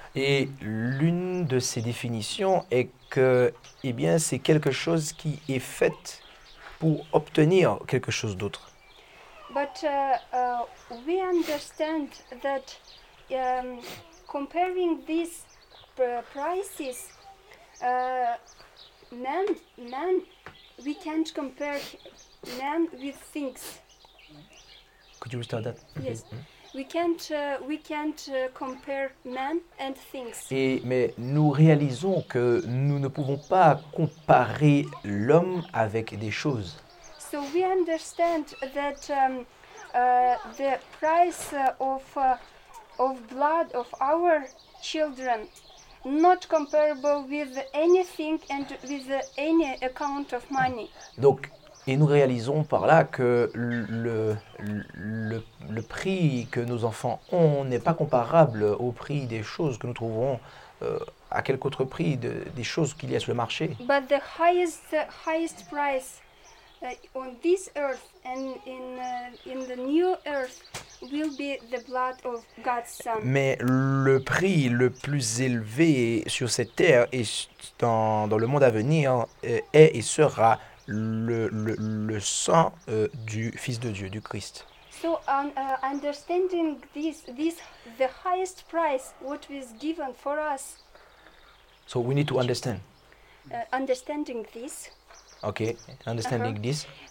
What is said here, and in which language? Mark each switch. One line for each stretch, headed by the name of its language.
French: Et l'une de ces définitions est que, eh bien, c'est quelque chose qui est fait pour obtenir quelque chose d'autre.
English: But we understand that comparing these prices, man, we can't compare man with things. Could you restart that? Yes. We can't compare man and things.
French: Mais nous réalisons que nous ne pouvons pas comparer l'homme avec des choses.
English: So we understand that the price of blood of our children not comparable with anything and with any account of money.
French: Donc, et nous réalisons par là que le prix que nos enfants ont n'est pas comparable au prix des choses que nous trouvons à quelque autre prix des choses qu'il y a sur le marché.
English: But the highest price on this earth and in the new earth will be the blood of God's son.
French: Mais le prix le plus élevé sur cette terre et dans le monde à venir est et sera le sang du Fils de Dieu, du Christ.
English: So understanding this the highest price what was given for us. So we need to understand. Understanding this. Okay, understanding this.